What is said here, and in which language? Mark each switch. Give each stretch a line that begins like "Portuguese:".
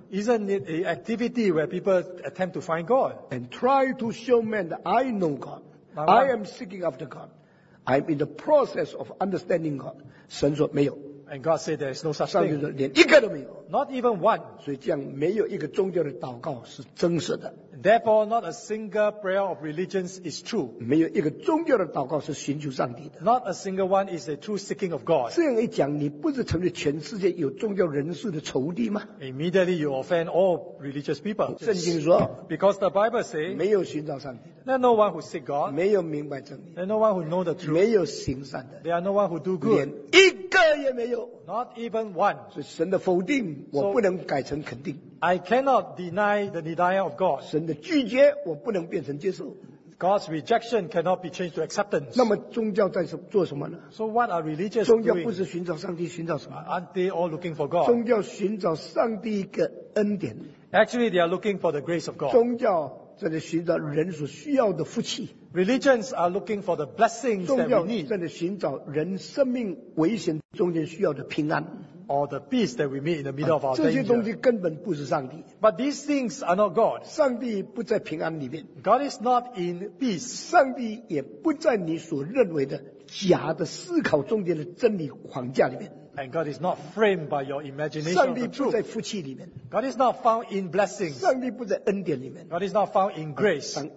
English: Isn't it an activity where people attempt to find God? And try to show man that I know God. Now, I am seeking after God. I'm in the process of understanding God.
Chinese: 神说没有,
English: and God said there is no such thing.
Chinese: 上帝说连一个都没有,
English: not even one.
Chinese: 所以这样没有一个宗教的祷告是真实的,
English: therefore not a single prayer of religions is true.
Chinese: 没有一个宗教的祷告是寻求上帝的,
English: not a single one is a true seeking of God.
Chinese: 这样一讲, 你不是成为全世界有宗教人士的仇敌吗?
English: Immediately you offend all religious people.
Chinese: 圣经说,
English: because the Bible says,
Chinese: 没有寻找上帝,
English: there are no one who seek God.
Chinese: 没有明白真理,
English: there are no one who know the truth.
Chinese: 没有行善的,
English: there are no one who do good.
Chinese: 连一个也没有,
English: not even one.
Chinese: 所以神的否定, 我不能改成肯定,
English: I cannot deny the denial of God.
Chinese: 神的拒绝, 我不能变成接受,
English: God's rejection cannot be changed to acceptance.
Chinese: 那么宗教在做什么呢?
English: So what are religious
Chinese: 宗教不是寻找上帝,
English: doing? Aren't they all looking for God?
Chinese: 宗教寻找上帝一个恩典。
English: Actually, they are looking for the grace of God.
Chinese: 宗教在寻找人所需要的福气。
English: Religions are looking for the blessings that we need.
Chinese: 宗教在寻找人生命危险中间需要的平安。
English: Or the peace that we meet in the middle of our danger.
Chinese: 这些东西根本不是上帝。
English: But these things are not God.
Chinese: 上帝不在平安里面。
English: God is not in peace.
Chinese: 上帝也不在你所认为的假的思考中间的真理框架里面。
English: And God is not framed by your imagination of the truth.
Chinese: 上帝不在福气里面。
English: God is not found in blessings.
Chinese: 上帝不在恩典里面。
English: God is not found in grace.